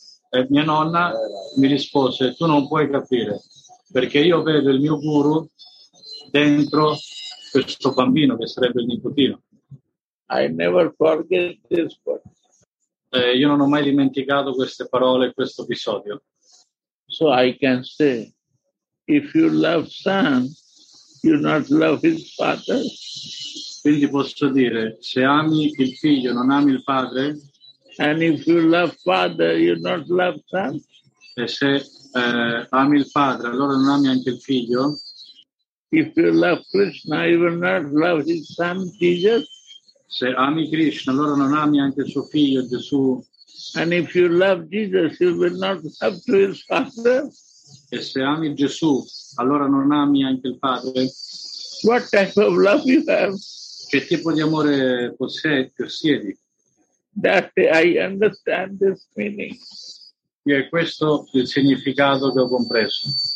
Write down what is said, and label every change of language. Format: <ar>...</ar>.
<it>E mia nonna mi rispose, tu non puoi capire, perché io vedo il mio guru dentro questo bambino che sarebbe il nipotino.</it> <en>I never forget this word.</en> <it>Io non ho mai dimenticato queste parole, questo episodio.</it> <en>So I can say, if you love son, you not love his father.</en> <it>Quindi posso dire, se ami il figlio, non ami il padre.</it> <en>And if you love father, you not love son.</en> <it>E se ami il padre, allora non ami anche il figlio.</it> <en>If you love Krishna, you will not love his son, Jesus.</en> <it>Se ami Krishna, allora non ami anche suo figlio, Gesù.</it> <en>And if you love Jesus, you will not love to his father.</en> <it>E se ami Gesù, allora non ami anche il padre.</it> <en>What type of love you have?</en> <it>Che tipo di amore possiedi?</it> <en>That I understand this meaning.</en> <it>E questo è il significato che ho compreso.</it>